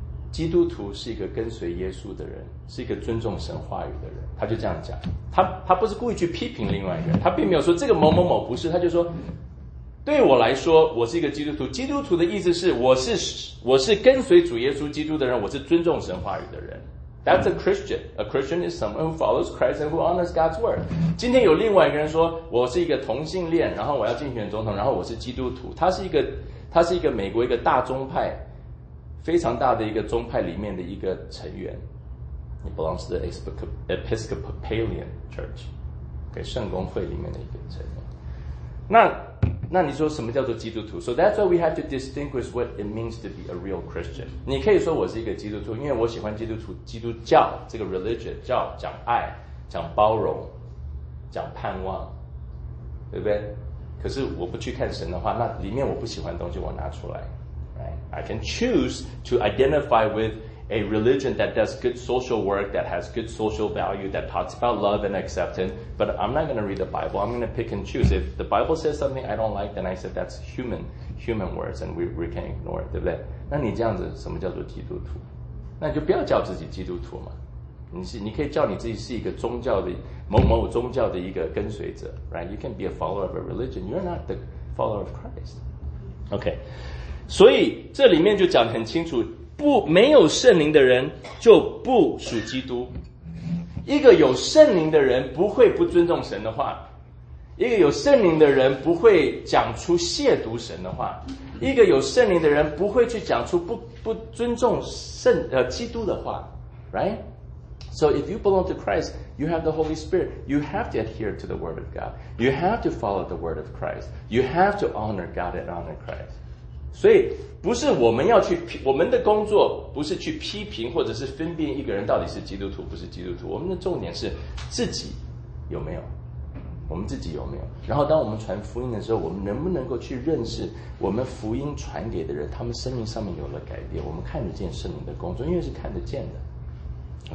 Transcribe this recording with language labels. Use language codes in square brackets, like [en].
[zh] 基督徒是一个跟随耶稣的人，是一个尊重神话语的人，他就这样讲。他不是故意去批评另外一个人，他并没有说这个某某某不是，他就说对我来说我是一个基督徒，基督徒的意思是我是跟随主耶稣基督的人，我是尊重神话语的人。 [en] That's a Christian. A Christian is someone who follows Christ and who honors God's word. [zh] 今天有另外一个人说我是一个同性恋，然后我要竞选总统，然后我是基督徒，他是一个美国一个大宗派，非常大的一个宗派里面的一个成员， [en] he belongs to the Episcopalian Church， [zh] 给圣公会里面的一个成员。那你说什么叫做基督徒？ [en] So that's why we have to distinguish what it means to be a real Christian。 [zh] 你可以说我是一个基督徒，因为我喜欢基督徒基督教这个 religion， 教讲爱，讲包容，讲盼望，对不对？可是我不去看神的话，那里面我不喜欢的东西我拿出来。 [en] Right. I can choose to identify with a religion that does good social work, that has good social value, that talks about love and acceptance, but I'm not going to read the Bible. I'm going to pick and choose. If the Bible says something I don't like, then I said that's human words and we can ignore it, [zh] 对不对？那你这样子什么叫做基督徒？那你就不要叫自己基督徒嘛。你可以叫你自己是一个宗教的某某宗教的一个跟随者， right? [en] You can be a follower of a religion. You're not the follower of Christ. Okay. [zh] 所以这里面就讲得很清楚，没有圣灵的人就不属基督。一个有圣灵的人不会不尊重神的话，一个有圣灵的人不会讲出亵渎神的话，一个有圣灵的人不会去讲出不尊重基督的话， right？ [en] So if you belong to Christ, you have the Holy Spirit. You have to adhere to the Word of God. You have to follow the Word of Christ. You have to honor God and honor Christ. [zh] 所以不是我们要去，我们的工作不是去批评或者是分辨一个人到底是基督徒不是基督徒，我们的重点是自己有没有，我们自己有没有，然后当我们传福音的时候，我们能不能够去认识我们福音传给的人，他们生命上面有了改变，我们看得见圣灵的工作，因为是看得见的。